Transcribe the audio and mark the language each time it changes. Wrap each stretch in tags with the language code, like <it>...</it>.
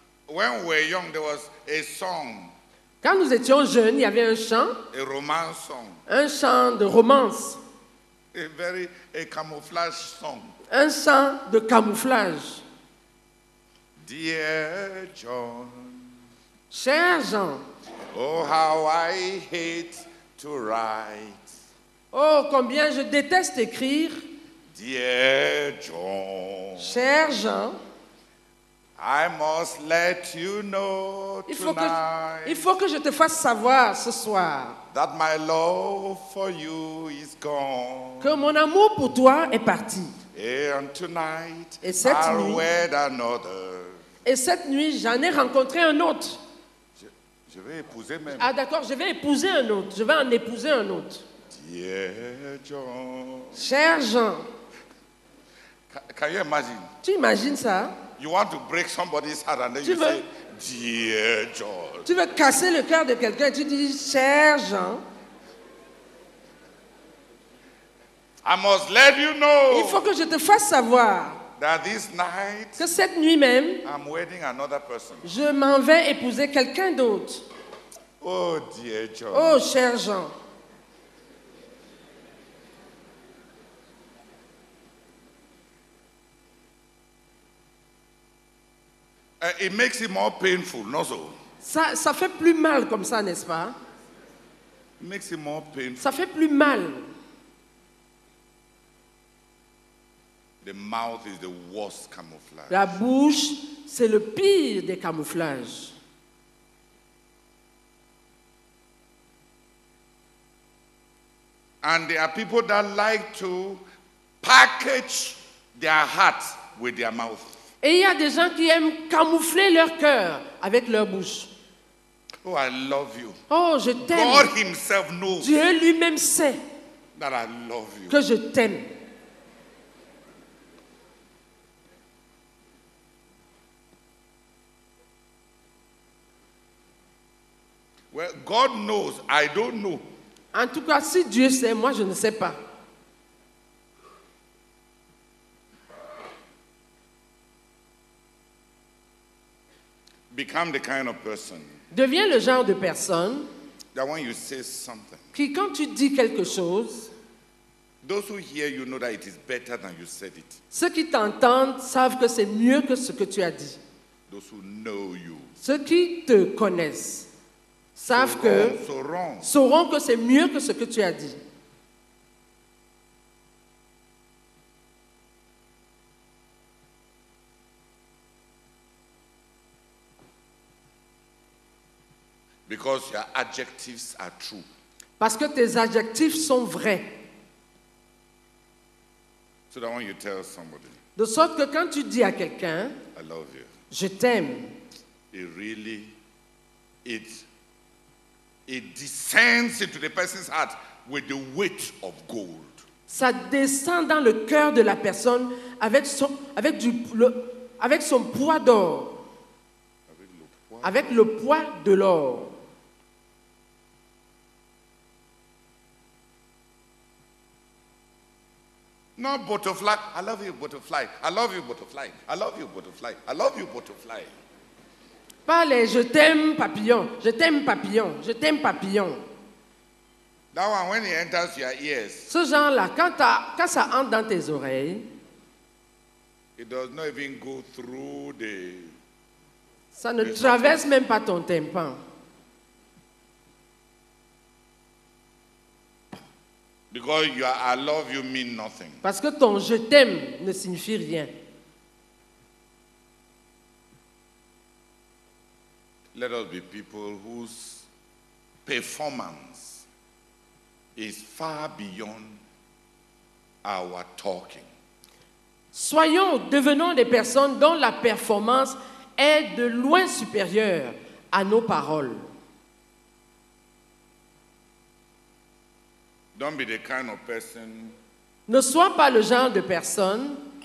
<en>When we were young, there was a song.</en> <fr>Quand nous étions jeunes, il y avait un chant.</fr> <en>A romance song.</en> <fr>Un chant de romance.</fr> <en>A camouflage song.</en> <fr>Un chant de camouflage.</fr> <en>Dear John.</en> <fr>Cher Jean.</fr> <en>Oh, how I hate to write.</en> <fr>Oh, combien je déteste écrire.</fr> <en>Dear John.</en> <fr>Cher Jean.</fr> <en>I must let you know tonight.</en> <fr>Il faut que je te fasse savoir ce soir.</fr> <en>That my love for you is gone.</en> <fr>Que mon amour pour toi est parti.</fr> <en>And tonight,</en> <fr>et cette</fr> <en>I'll</en> <fr>nuit,</fr> <en>wed another.</en> <fr>Et cette nuit, j'en ai rencontré un autre. Je vais épouser même. Ah d'accord, je vais épouser un autre. Je vais en épouser un autre.</fr> <en>Dear John.</en> <fr>Cher Jean.</fr> <en>Can you imagine?</en> <fr>Tu imagines ça?</fr> <en>You want to break somebody's heart and then you say, Dear John.</en> <fr>Tu veux casser le cœur de quelqu'un et tu dis, cher Jean.</fr> <en>I must let you know.</en> <fr>Il faut que je te fasse savoir.</fr> <en>That this night,</en> <fr>que cette nuit même,</fr> <en>I'm wedding another person.</en> <fr>Je m'en vais épouser quelqu'un d'autre.</fr> <en>Oh, dear John.</en> <fr>Oh, cher Jean.</fr> <en>It makes it more painful, not so.</en> <fr>Ça fait plus mal comme ça, n'est-ce pas?</fr> <en>It makes it more painful.</en> <fr>Ça fait plus mal.</fr> <en>The mouth is the worst camouflage.</en> <fr>La bouche, c'est le pire des camouflages.</fr> <en>And there are people that like to package their heart with their mouth.</en> <fr>Et il y a des gens qui aiment camoufler leur cœur avec leur bouche.</fr> <en>Oh, I love you.</en> <fr>Oh, je t'aime.</fr> <en>God himself knows.</en> <fr>Dieu lui-même sait</fr> <en>that I love you.</en> <fr>Que je t'aime.</fr> <en>Well, God knows, I don't know.</en> <fr>En tout cas, si Dieu sait, moi je ne sais pas.</fr> <en>Become the kind of person.</en> <fr>Deviens le genre de personne.</fr> <en>That when you say something.</en> <fr>Qui quand tu dis quelque chose.</fr> <en>Those who hear you know that it is better than you said it.</en> <fr>Ceux qui t'entendent savent que c'est mieux que ce que tu as dit.</fr> <en>Those who know you.</en> <fr>Ceux qui te connaissent. savent que sauront que c'est mieux que ce que tu as dit.</fr> <en>Because your adjectives are true.</en> <fr>Parce que tes adjectifs sont vrais.</fr> <en>So that when you tell somebody,</en> <fr>de sorte que quand tu dis à quelqu'un,</fr> <en>I love you.</en> <fr>Je t'aime.</fr> <en>It descends into the person's heart with the weight of gold.</en> <fr>Ça descend dans le cœur de la personne avec son poids d'or. Avec le poids de l'or.</fr> <en>Not butterfly. I love you, butterfly. I love you, butterfly. I love you, butterfly. I love you, butterfly.</en> <fr>Parlez, je t'aime, papillon. Je t'aime, papillon. Je t'aime, papillon.</fr> <en>That one, when it enters your ears.</en> <fr>Ce genre-là, quand ça entre dans tes oreilles.</fr> <en>It does not even go through the.</en> <fr>Ça ne traverse même pas ton tympan.</fr> <en>Because your I love you mean nothing.</en> <fr>Parce que ton je t'aime ne signifie rien.</fr> <en>Let us be people whose performance is far beyond our talking.</en> <fr>Soyons, devenons des personnes dont la performance est de loin supérieure à nos paroles.</fr> <en>Don't be the kind of person.</en> <fr>Ne sois pas le genre de personne.</fr>